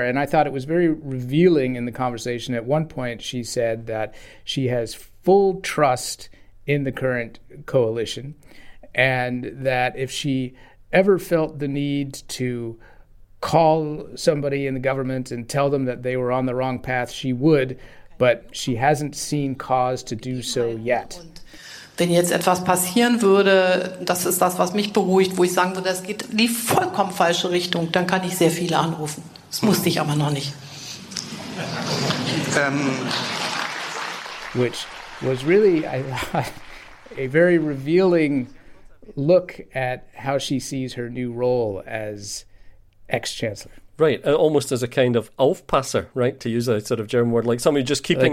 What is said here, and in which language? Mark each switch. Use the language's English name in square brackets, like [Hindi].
[English] And I thought it was very revealing in the conversation. At one point, she said that she has full trust in the current coalition, and that if she ever felt the need to call somebody in the government and tell them that they were on the wrong path, she would, but she hasn't seen cause to do so yet. [German] Wenn jetzt etwas passieren würde, das ist das, was mich beruhigt, wo ich sagen würde, das geht in die vollkommen falsche Richtung, dann kann ich sehr viele anrufen. Das musste ich aber noch nicht. [English] Which was really a very revealing look at how she sees her new role as ex-chancellor. Right, almost as a kind of Aufpasser, right, to use a sort of German word, like somebody just keeping